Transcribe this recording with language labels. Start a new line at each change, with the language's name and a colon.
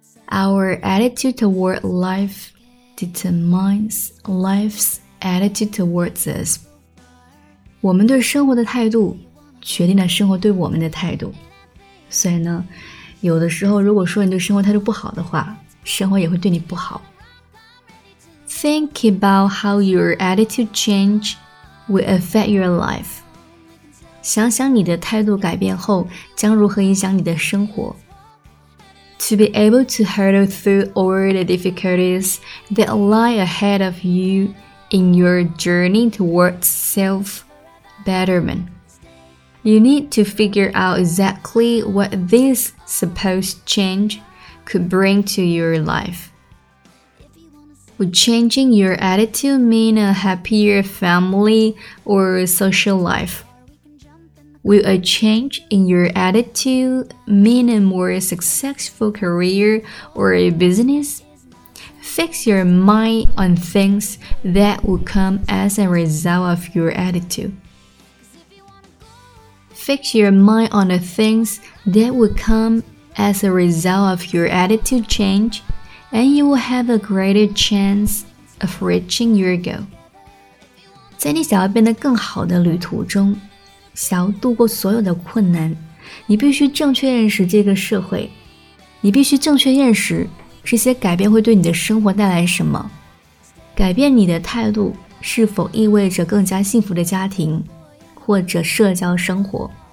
English: Our attitude toward life determines life's attitude towards us，
Chinese: 我们对生活的态度决定了生活对我们的态度。所以呢，有的时候如果说你对生活态度不好的话，生活也会对你不好。
English: Think about how your attitude change will affect your life.
Chinese: 想想你的态度改变后将如何影响你的生活。
English: To be able to hurdle through all the difficulties that lie ahead of you in your journey towards self-betterment, you need to figure out exactly what this supposed changecould bring to your life. Would changing your attitude mean a happier family or social life? Will a change in your attitude mean a more successful career or a business? Fix your mind on things that will come as a result of your attitude. Fix your mind on the things that will comeAs a result of your attitude change, and you will have a greater chance of reaching your goal.
Chinese: 在你想要变得更好的旅途中，想要度过所有的困难，你必须正确认识这个社会，你必须正确认识这些改变会对你的生活带来什么。改变你的态度是否意味着更加幸福的家庭或者社交生活？